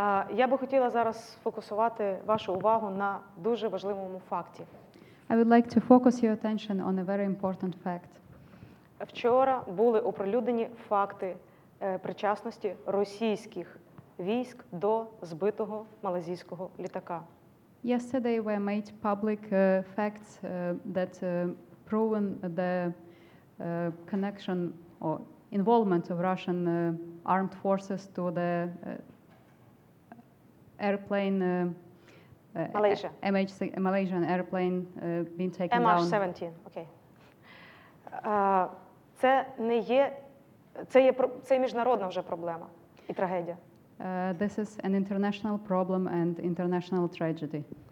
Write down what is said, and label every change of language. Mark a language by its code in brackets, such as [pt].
[uk] Я би хотіла зараз фокусувати вашу увагу на дуже важливому факті. [en] I would like to focus your attention on a very important fact. [uk] Вчора були оприлюднені факти причасності російських військ до збитого малайзійського літака. [en] Yesterday were made public facts that proven the connection or involvement of Russian armed forces to the airplane Malaysia. Malaysian airplane being taken down. MH17, okay. [uk] Це не є, це міжнародна вже проблема і трагедія. [en] This is an international problem and international tragedy.